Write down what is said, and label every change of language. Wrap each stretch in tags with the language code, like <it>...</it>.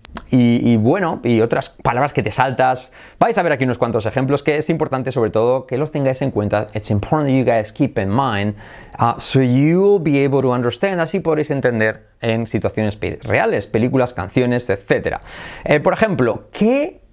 <es>Y otras palabras que te saltas. Vais a ver aquí unos cuantos ejemplos que es importante sobre todo que los tengáis en cuenta.</es> <en>It's important that you guys keep in mind so you'll be able to understand.</en> <es>Así podréis entender en situaciones reales, películas, canciones, etc. Por ejemplo, ¿qué</es>